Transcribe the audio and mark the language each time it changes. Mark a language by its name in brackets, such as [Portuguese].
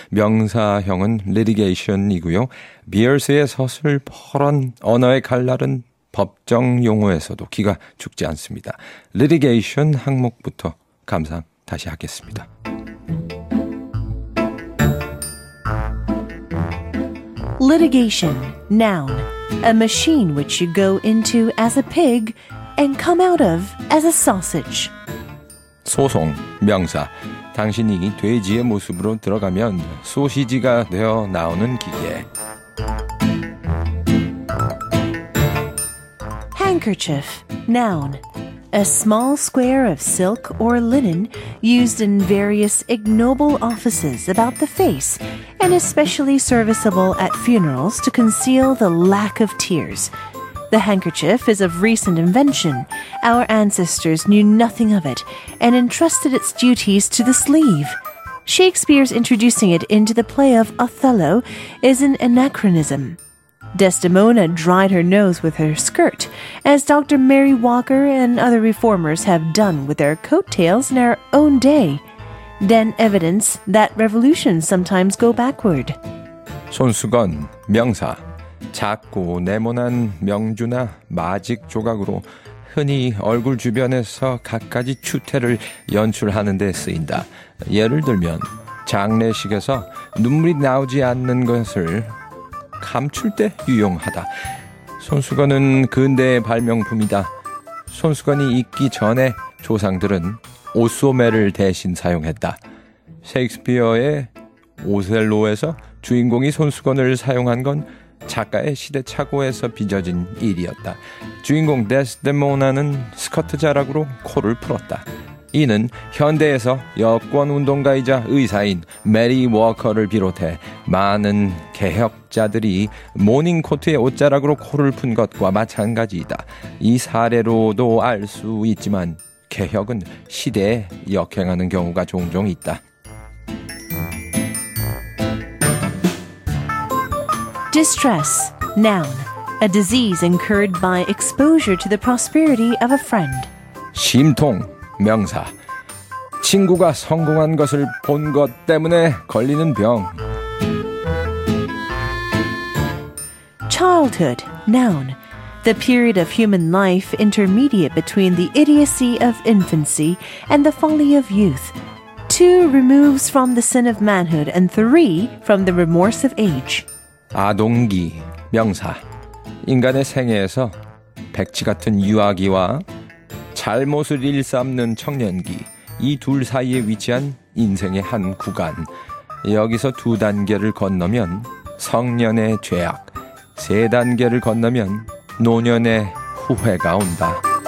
[Korean] 명사형은 litigation이고요. 비어스의 서술 퍼런 언어의 칼날은 법정 용어에서도 기가 죽지 않습니다. litigation 항목부터 감상 다시 하겠습니다. [English] litigation, noun, a machine which you go into as a pig and come out of as a sausage. [Korean] 소송, 명사. 당신이 돼지의 모습으로 들어가면 소시지가 되어 나오는 기계. [English] handkerchief, noun. A small square of silk or linen used in various ignoble offices about the face and especially serviceable at funerals to conceal the lack of tears. The handkerchief is of recent invention. Our ancestors knew nothing of it and entrusted its duties to the sleeve. Shakespeare's introducing it into the play of Othello is an anachronism. Desdemona dried her nose with her skirt, as Dr. Mary Walker and other reformers have done with their coattails in our own day. Then evidence that revolutions sometimes go backward. [Korean] 손수건, 명사. 작고 네모난 명주나 마직 조각으로 흔히 얼굴 주변에서 갖가지 추태를 연출하는 데 쓰인다. 예를 들면 장례식에서 눈물이 나오지 않는 것을 감출 때 유용하다. 손수건은 근대의 발명품이다. 손수건이 있기 전에 조상들은 오소메를 대신 사용했다. 셰익스피어의 오셀로에서 주인공이 손수건을 사용한 건 작가의 시대착오에서 빚어진 일이었다. 주인공 데스데모나는 스커트 자락으로 코를 풀었다. 이는 현대에서 여권운동가이자 의사인 메리 워커를 비롯해 많은 개혁자들이 모닝코트의 옷자락으로 코를 푼 것과 마찬가지이다. 이 사례로도 알 수 있지만 개혁은 시대에 역행하는 경우가 종종 있다. [English] Distress, noun, a disease incurred by exposure to the prosperity of a friend. [Korean] 심통, 명사, 친구가 성공한 것을 본 것 때문에 걸리는 병. [English] Childhood, noun, the period of human life intermediate between the idiocy of infancy and the folly of youth. Two removes from the sin of manhood and three from the remorse of age. [Korean] 아동기, 명사, 인간의 생애에서 백지 같은 유아기와 잘못을 일삼는 청년기, 이 둘 사이에 위치한 인생의 한 구간. 여기서 두 단계를 건너면 성년의 죄악, 세 단계를 건너면 노년의 후회가 온다.